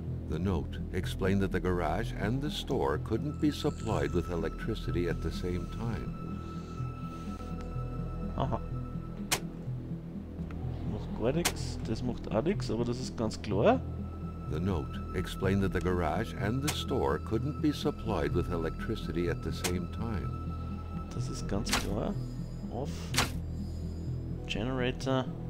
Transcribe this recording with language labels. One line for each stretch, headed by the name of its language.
English: The note explained that the garage and the store couldn't be supplied with electricity at the same time. Aha.
German: Macht gar nichts, das macht auch nichts, aber das ist ganz klar.
English: The note explained that the garage and the store couldn't be supplied with electricity at the same time.
German: Das ist ganz klar. Off. Generator.